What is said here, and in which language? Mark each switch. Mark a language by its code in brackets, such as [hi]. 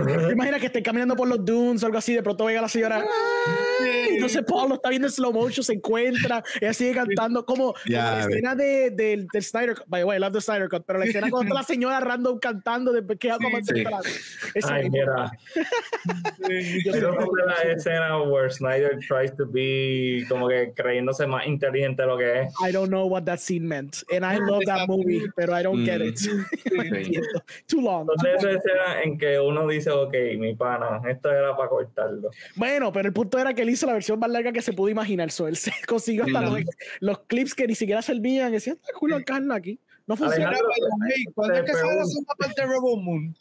[es] Imagina que esté caminando por los dunes o algo así, de pronto llega la señora. Y entonces Paul lo está viendo en slow motion, se encuentra, ella sigue cantando como la escena del Snyder Cut. [en] By the way, I love the Snyder Cut, [es] pero la escena con la señora random cantando de que algo más central. Ay, mira. Yo creo que la escena [en] where Snyder tries to be [es] como que creyéndose más inteligente de lo que es. [en] I don't know what that scene meant. And I love that movie, pero I don't get it. Okay. Too long. [es] Entonces esa escena en que uno dice, ok, mi pana, esto era para cortarlo. Bueno, pero el punto era que él hizo la versión más larga que se pudo imaginar. Él se consiguió hasta los clips que ni siquiera servían. Decía, está culo a Carla aquí. No funciona. ¿Cuándo es que sale la segunda parte de Rebel Moon?